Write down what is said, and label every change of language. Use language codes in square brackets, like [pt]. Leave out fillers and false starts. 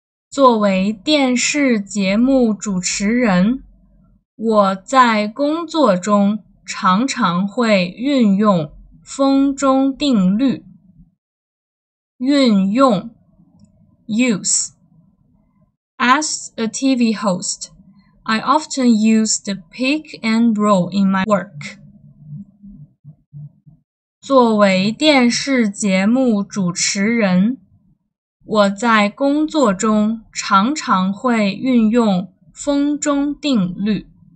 [zh] 作为电视节目主持人，我在工作中常常会运用风中定律。运用 use. [en] As a TV host, I often use the pick and roll in my work. [zh] 作为电视节目主持人，我在工作中常常会运用风中定律。